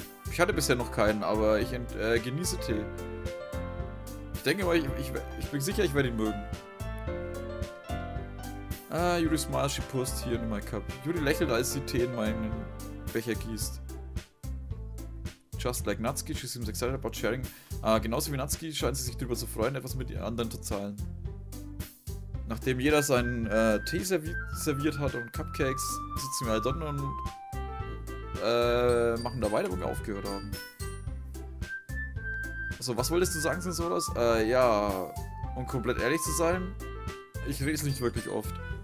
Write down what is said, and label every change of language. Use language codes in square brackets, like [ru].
[de] Ich hatte bisher noch keinen, aber ich genieße Tee. Ich denke mal, ich bin sicher, ich werde ihn mögen. [en] Yuri smiles, she pours tea in my cup. [de] Yuri lächelt, als sie Tee in meinen Becher gießt. [en] Just like Natsuki, she seems excited about sharing. [de] Genauso wie Natsuki scheint sie sich darüber zu freuen, etwas mit den anderen zu teilen. Nachdem jeder seinen Tee serviert hat und Cupcakes, sitzen wir halt dort und machen da weiter, wo wir aufgehört haben. Also, was wolltest du sagen, Sinsoros? Um komplett ehrlich zu sein, ich lese nicht wirklich oft.